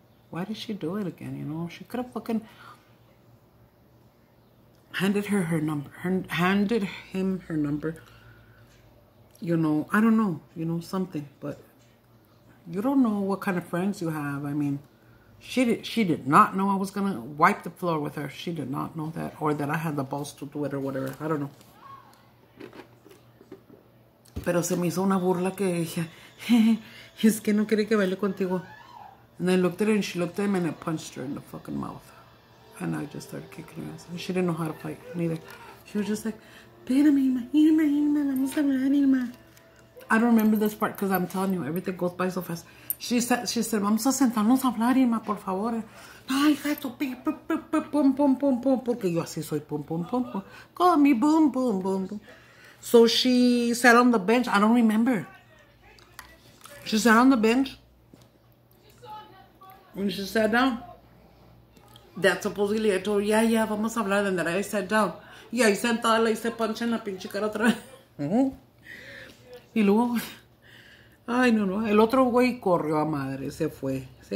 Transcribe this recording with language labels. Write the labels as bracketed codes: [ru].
[en] Why did she do it again, you know? She could have fucking handed her her number, handed him her number. You know, I don't know, you know, something. But you don't know what kind of friends you have. I mean, she did not know I was going to wipe the floor with her. She did not know that or that I had the balls to do it or whatever. I don't know. [es] Pero se me hizo una burla que dije, es que no quiere que baile contigo. [en] And I looked at her and she looked at me and I punched her in the fucking mouth. And I just started kicking her ass. And she didn't know how to fight, neither. She was just like, [es] espérame, imagíname, imagíname, vamos a hablar, imagíname. [en] I don't remember this part because I'm telling you, everything goes by so fast. She said, [es] vamos a sentarnos a hablar, imagíname, por favor. Ay, gato, pum, pum, pum, pum, porque yo así soy, pum, pum, pum, pum. [en] Call me, boom, boom, boom, boom. So she sat on the bench. I don't remember. She sat on the bench. When she sat down, that supposedly I told her, yeah, yeah, [es] vamos a hablar. [en] And then I sat down. [es] Y ahí sentada le hice punch en la pinche cara otra vez. Y luego, ay, no, no. El otro güey corrió a madre. Se fue.